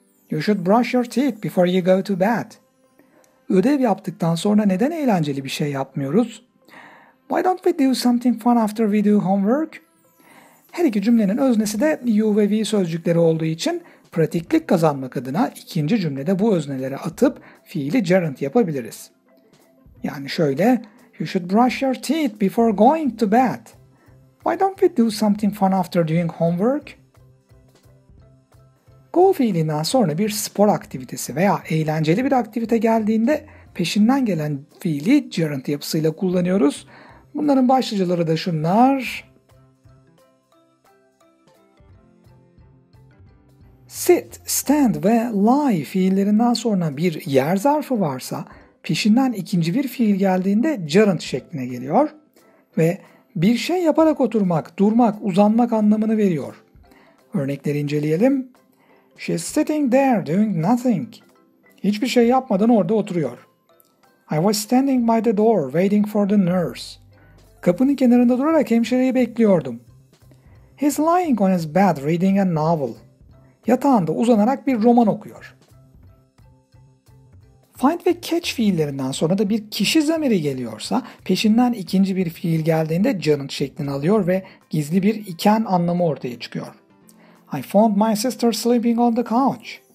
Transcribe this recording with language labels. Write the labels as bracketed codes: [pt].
[en] You should brush your teeth before you go to bed. [tr] Ödev yaptıktan sonra neden eğlenceli bir şey yapmıyoruz? [en] Why don't we do something fun after we do homework? [tr] Her iki cümlenin öznesi de you ve we sözcükleri olduğu için pratiklik kazanmak adına ikinci cümlede bu öznelere atıp fiili gerund yapabiliriz. Yani şöyle, [en] you should brush your teeth before going to bed. Why don't we do something fun after doing homework? [tr] Go fiilinden sonra bir spor aktivitesi veya eğlenceli bir aktivite geldiğinde peşinden gelen fiili gerund yapısıyla kullanıyoruz. Bunların başlıcaları da şunlar. Sit, stand ve lie fiillerinden sonra bir yer zarfı varsa peşinden ikinci bir fiil geldiğinde gerund şekline geliyor ve bir şey yaparak oturmak, durmak, uzanmak anlamını veriyor. Örnekleri inceleyelim. [en] She's sitting there doing nothing. [tr] Hiçbir şey yapmadan orada oturuyor. [en] I was standing by the door waiting for the nurse. [tr] Kapının kenarında durarak hemşireyi bekliyordum. [en] He's lying on his bed reading a novel. [tr] Yatağında uzanarak bir roman okuyor. Find ve catch fiillerinden sonra da bir kişi zamiri geliyorsa peşinden ikinci bir fiil geldiğinde gerund şeklini alıyor ve gizli bir iken anlamı ortaya çıkıyor. [en] I found my sister sleeping on the couch.